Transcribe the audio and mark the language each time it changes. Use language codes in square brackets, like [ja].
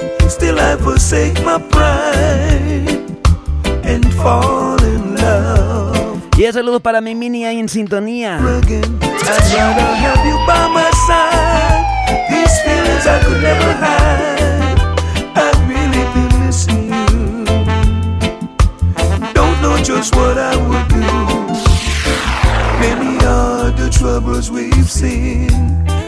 [en] Still I forsake my pride and fall in love. [es] Y un saludo para mi mini ahí en sintonía. [en] Again, I'd rather have you by my side. These feelings I could never hide. I've really been missing you. Don't know just what I would do. Many are the troubles we've seen.